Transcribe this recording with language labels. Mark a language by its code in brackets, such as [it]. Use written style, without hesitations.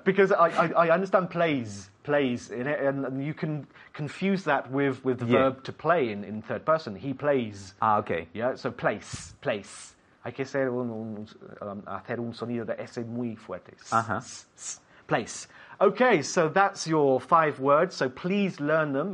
[en] Because I understand plays, and you can confuse that with the verb to play in third person. He plays. Ah, okay. Yeah, so place. [es] Hay que ser hacer un sonido de S muy fuerte. [en] Place. Okay, so that's your 5 words, so please learn them.